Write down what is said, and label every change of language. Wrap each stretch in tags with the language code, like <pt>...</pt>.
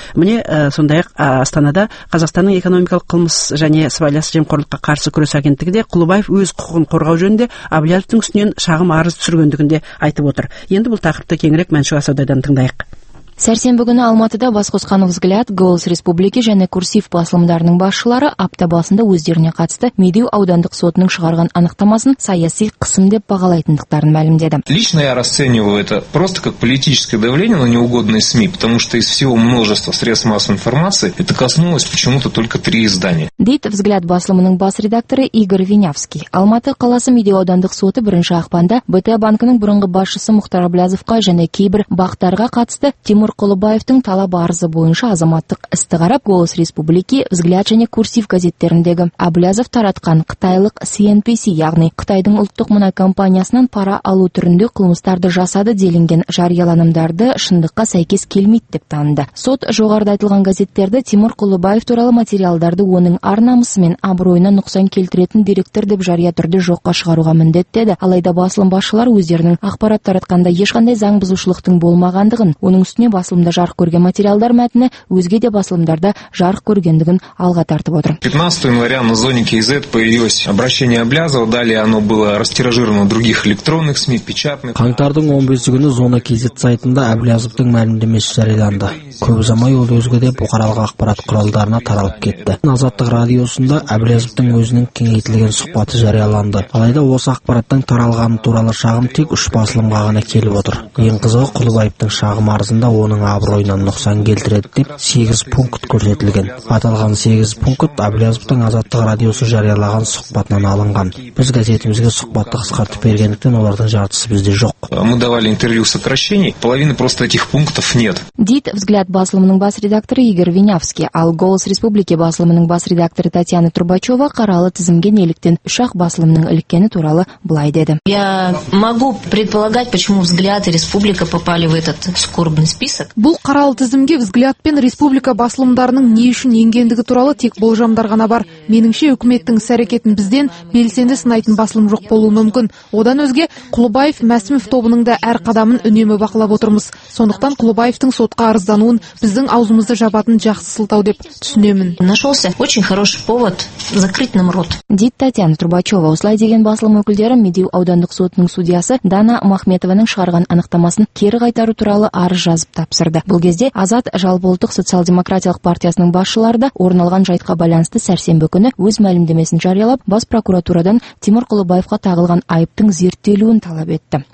<kk>Міне сондай-ақ Астанада Қазақстанның экономикалық қылмыс және сыбайлас жемқорлыққа қарсы күрес агенттігі де Құлыбаев өз құқығын қорғау жөнінде Әблязовтың үстінен шағым арыз түсіргендігін де айтып отыр. Енді бұл тақырыпты кеңірек Мәншүк Асаудайдан тыңдайық. Сәрсенбі күні Алматыда бас қосқан «Взгляд», «Голос Республики» және «Курсив» басылымдарының басшылары апта басында өздеріне қатысты Медеу аудандық сотының шығарған анықтамасын саяси қысым деп бағалайтындықтарын мәлімдеді.</kk> <ru>Лично я расцениваю это просто как политическое давление на неугодные СМИ, потому что из всего множества средств массовой информации это коснулось почему-то только три издания.</ru> <kk>Дейді «Взгляд» басылымының бас редакторы Игорь Винявский. Алматы қаласы Медеу аудандық соты 1 ақпанда БТ банкінің бұрынғы басшысы Мұхтар Әблязовқа және кейбір бақтарға қатысты Тимур Құлыбаевтың талабы арызы бойынша азаматтық істі қарап, «Голос Республики», «Взгляд» және «Курсив» газеттеріндегі Әблязов таратқан қытайлық CNPC, яғни Қытайдың ұлттық мұнай компаниясынан пара алу түрінде қылмыстарды жасады делінген жарияланымдарды шындыққа сәйкес келмейді деп таныды. Сот жоғарыда айтылған газеттерді Тимур Құлыбаев туралы материалдарды оның ар намысы мен абыройына нұқсан келтіретін деректер деп жария түрде жоққа шығаруға міндеттеді. Алайда басылым басшылары өздерінің ақпарат таратқанда ешқандай заң бұзушылықтың болмағандығын, оның үстіне басылымда жарық көрген материалдар мәтіні өзге де басылымдарда жарық көргендігін алға тартып отыр.</kk> <ru>15 января на зоне KZ появилось обращение Облязова, далее оно было растиражировано других электронных СМИ, печатных.</ru> <kk>Қаңтардың 15 күні зона KZ сайтында Әблязовтың мәлімдемесі жарияланды. Көп ұзамай ол өзге де бұқаралық ақпарат құралдарына таралып кетті. Азаттық радиосында Әблязовтың өзінің кеңейтілген сұхбаты жарияланды. Алайда осы ақпараттың таралғаны туралы шағым тек үш басылымға ғана келіп отыр. Ең қызығы Құлыбаевтың шағым арызында оның абыройынан нұқсан келтіреді деп 8 пункт көрсетілген. Аталған 8 пункт Әбілязовтың Азаттық радиосы жариялаған сұхбатынан алынған. Біз газетімізге сұхбатты қысқартып бергендіктен олардың жартысы бізде жоқ.</kk> <ru>Мы давали интервью сокращений, половины просто этих пунктов нет.</ru> <kk>Дит «Взгляд» басылымының бас редакторы Игорь Винявский, ал «Голос Республики» басылымының бас редакторы Татьяна Трубачева қаралы тізімге неліктен ұшақ басылымының іліккені туралы былай деді.</kk> <ru>Я могу предполагать, почему «Взгляд» и «Республика» попали в этот скорбный список.</ru> <kk>Бұл қаралы тізімге «Взгляд» пен «Республика» басылымдарының не үшін енгендігі туралы тек болжамдар ғана бар. Меніңше үкіметтің сәрекетін бізден белсенді сынайтын басылым жоқ болуы мүмкін. Одан өзге Құлыбаев, Мәсімов тобының да әр қадамын үнемі бақылап отырмыз. Сондықтан Құлыбаевтың сотқа арыздануын біздің аузымызды жабатын жақсы сылтау деп түсінемін.</kk> <ru>Нашелся очень хороший повод закрыть нам рот.</ru> <kk>Дит Татьяна Трубачева. Осылай деген басылым өкілдері Медеу аудандық сотының судьясы Дана Махметованың шығарған анықтамасын кері қайтару туралы арыз жазып тапсырды. Бұл кезде Азат жалпы ұлттық социал-демократиялық партиясының басшылары да орын алған жайтқа байланысты сәрсенбі күні өз мәлімдемесін жариялап, бас прокуратурадан Тимур Құлыбаевқа тағылған айыптың зерттелуін талап етті.</kk>